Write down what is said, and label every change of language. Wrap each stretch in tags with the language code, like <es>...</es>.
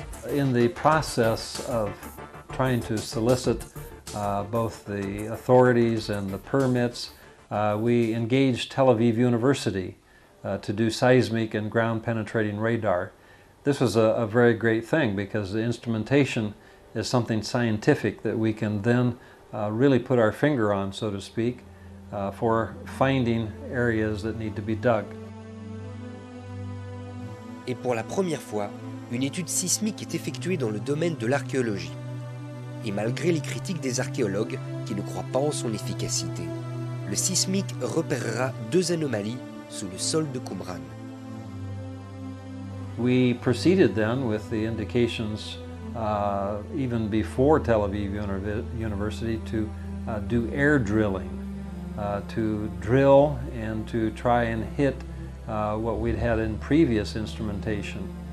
<en>In the process of trying to solicit both the authorities and the permits, we engaged Tel Aviv University to do seismic and ground penetrating radar. This was a very great thing because the instrumentation is something scientific that we can then really put our finger on, so to speak, for finding areas that need to be dug.</en> <fr>Et pour la première fois, une étude sismique est effectuée dans le domaine de l'archéologie. Et malgré les critiques des archéologues qui ne croient pas en son efficacité, le sismique repérera deux anomalies sous le sol de Qumran.</fr> <en>We proceeded then with the indications even before Tel Aviv University to do air drilling, to drill and to try and hit what we'd had in previous instrumentation.</en>